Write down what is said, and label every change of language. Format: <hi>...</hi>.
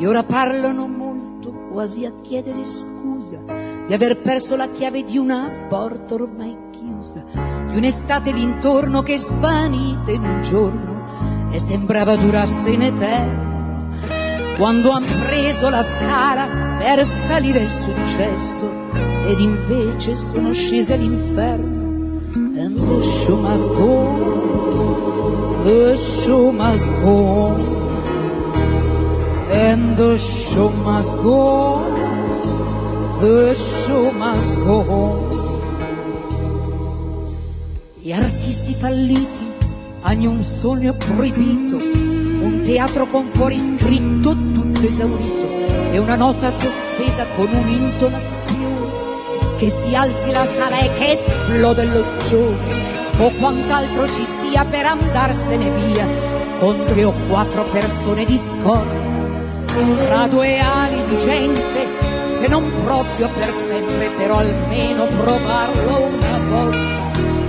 <it>E ora parlano molto, quasi a chiedere scusa, di aver perso la chiave di una porta ormai chiusa, di un'estate l'intorno che svanita in un giorno e sembrava durasse in eterno. Quando han preso la scala per salire il successo ed invece sono scese all'inferno.</it> <en>And the show must go, the show must go, and the show must go, the show must go.</en> <it>Gli artisti falliti hanno un sogno proibito, un teatro con fuori scritto tutto esaurito, e una nota sospesa con un'intonazione. Che si alzi la sala e che esplode lo giorno, o quant'altro ci sia per andarsene via, con tre o quattro persone di scorta, tra due ali di gente, se non proprio per sempre, però almeno provarlo una volta,</it>